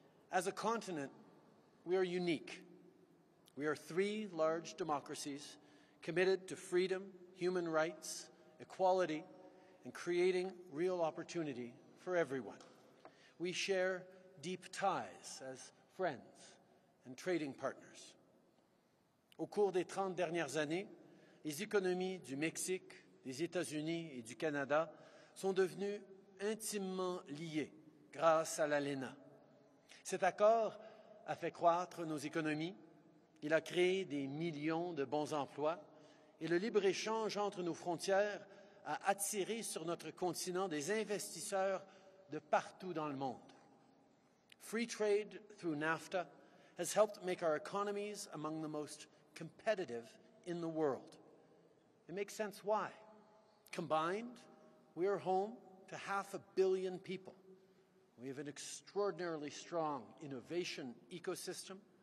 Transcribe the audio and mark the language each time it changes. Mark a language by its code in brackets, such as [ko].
[en] As a continent, we are unique. We are three large democracies committed to freedom, human rights, equality, and creating real opportunity for everyone. We share deep ties as friends and trading partners. [fr] Au cours des 30 dernières années, les économies du Mexique, des États-Unis et du Canada sont devenues intimement liées grâce à l'ALENA. Cet accord a fait croître nos économies. Il a créé des millions de bons emplois et le libre-échange entre nos frontières a attiré sur notre continent des investisseurs de partout dans le monde. [en] Free trade through NAFTA has helped make our economies among the most competitive in the world. It makes sense why. Combined, we are home to 500 million people. We have an extraordinarily strong innovation ecosystem.